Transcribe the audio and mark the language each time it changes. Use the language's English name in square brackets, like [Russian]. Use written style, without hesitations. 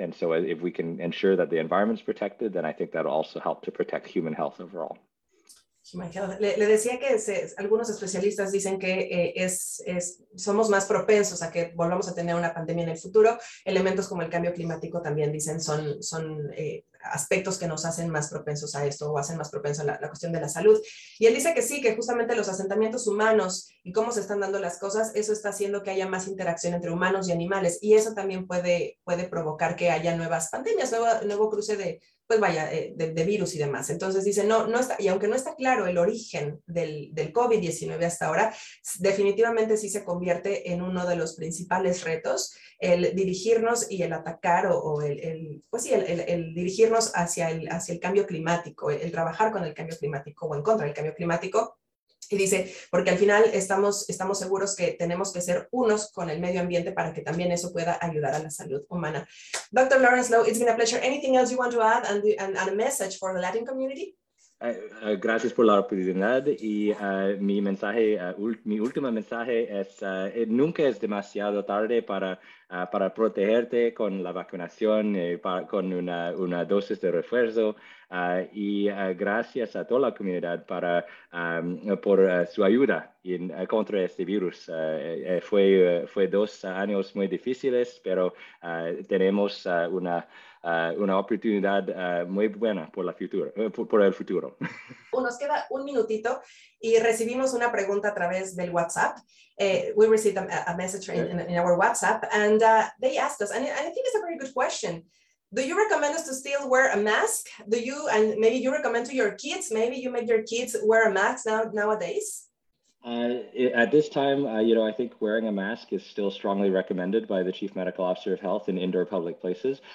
[English] And so if we can ensure that the environment's protected, then I think that'll also help to protect human health overall. [Spanish] Le decía que algunos especialistas dicen que somos más propensos a que volvamos a tener una pandemia en el futuro. Elementos como el cambio climático también dicen son aspectos que nos hacen más propensos a esto, o hacen más propenso a la cuestión de la salud. Y él dice que sí, que justamente los asentamientos humanos y cómo se están dando las cosas, eso está haciendo que haya más interacción entre humanos y animales. Y eso también puede provocar que haya nuevas pandemias, nuevo cruce de, pues vaya, de virus y demás. Entonces dice, no está, y aunque no está claro el origen del COVID-19 hasta ahora, definitivamente sí se convierte en uno de los principales retos el dirigirnos y el atacar o el dirigirnos hacia el cambio climático, el trabajar con el cambio climático o en contra del cambio climático. Y dice, porque al final estamos seguros que tenemos que ser unos con el medio ambiente para que también eso pueda ayudar a la salud humana. [English] Dr. Lawrence Lowe, it's been a pleasure. Anything else you want to add and a message for the Latin community? [Spanish] Gracias por la oportunidad. Y mi último mensaje es, nunca es demasiado tarde para protegerte con la vacunación, con una dosis de refuerzo. Gracias a toda la comunidad por su ayuda contra este virus. Fue dos años muy difíciles, pero tenemos una oportunidad muy buena por el futuro. Nos queda un minutito y recibimos una pregunta a través del WhatsApp. [English] We received a message in our WhatsApp, and they asked us, and I think it's a very good question. Do you recommend us to still wear a mask? Do you, and maybe you recommend to your kids, maybe you make your kids wear a mask nowadays? At this time, I think wearing a mask is still strongly recommended by the Chief Medical Officer of Health in indoor public places.